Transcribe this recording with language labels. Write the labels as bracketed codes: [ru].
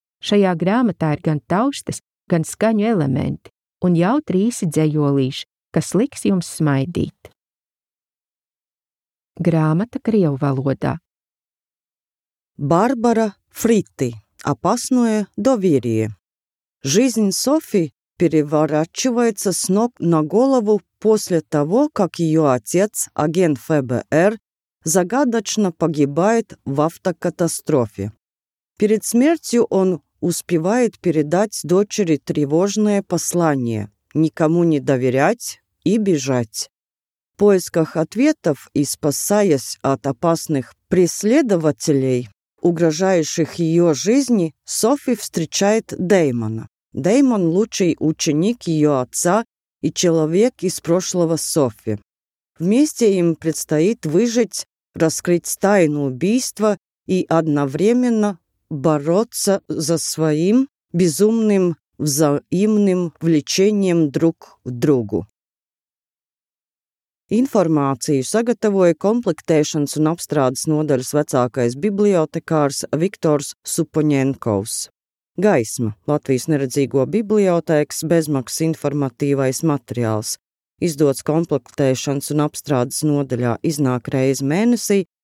[lv] Šajā grāmatā ir gan taustes, gan skaņu elementi un jautri īsi dzejolīši, kas liks jums smaidīt. Grāmata krievu valodā. [ru] Barbara Fritti опасное доверие. Жизнь Софи переворачивается с ног на голову после того, как ее отец, агент ФБР, загадочно погибает в автокатастрофе. Перед смертью он успевает передать дочери тревожное послание «никому не доверять и бежать». В поисках ответов и спасаясь от опасных преследователей, угрожающих ее жизни, Софи встречает Дэймона. Дэймон – лучший ученик ее отца и человек из прошлого Софи. Вместе им предстоит выжить, раскрыть тайну убийства и одновременно бороться за своим безумным взаимным влечением друг к другу. [lv] Informāciju sagatavoja komplektēšanas un apstrādes nodaļas vecākais bibliotekārs Viktors Supoņenkovs. Gaisma – Latvijas neredzīgo bibliotēkas bezmaksas informatīvais materiāls. Izdots komplektēšanas un apstrādes nodaļā iznāk reizi mēnesī.